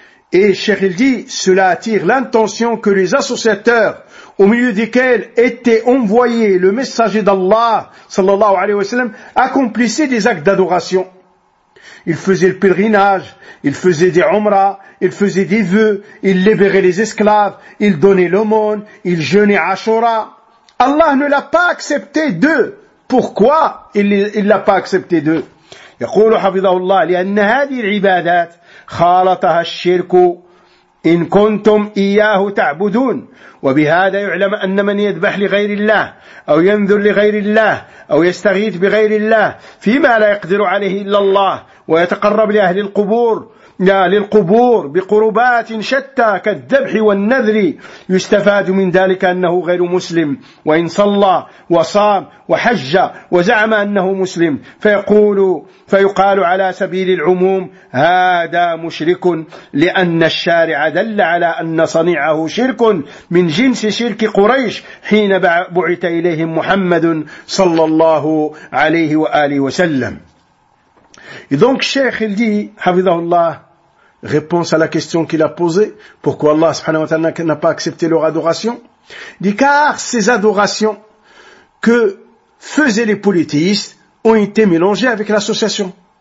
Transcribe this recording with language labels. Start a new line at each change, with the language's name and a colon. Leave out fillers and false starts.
French: Et Cheikh il dit, cela attire l'intention que les associateurs au milieu desquels était envoyé le messager d'Allah,
Arabic: sallallahu alayhi wa sallam,
French: accomplissaient des actes d'adoration. Ils faisaient le pèlerinage, ils faisaient des omras, ils faisaient des vœux, ils libéraient les esclaves, ils donnaient l'aumône, ils jeûnaient Ashura. Allah ne l'a pas accepté d'eux. Pourquoi il ne l'a pas accepté d'eux?
Arabic: يقول حفظه الله لأن هذه العبادات خالطها الشرك إن كنتم إياه تعبدون. وبهذا يعلم أن من يذبح لغير الله أو ينذر لغير الله أو يستغيث بغير الله فيما لا يقدر عليه إلا الله ويتقرب لأهل القبور للقبور بقربات شتى كالذبح والنذر يستفاد من ذلك أنه غير مسلم، وإن صلى وصام وحج وزعم أنه مسلم فيقول فيقال على سبيل العموم هذا مشرك، لأن الشارع دل على أن صنيعه شرك من جنس شرك قريش حين بعث إليهم محمد صلى الله عليه وآله وسلم. إذنك الشيخ الدي حفظه الله
French: réponse à la question qu'il a posée, pourquoi Allah
Arabic: subhanahu wa ta'ala
French: n'a pas accepté leur adoration, dit car ces adorations que faisaient les polythéistes ont été mélangées avec l'association.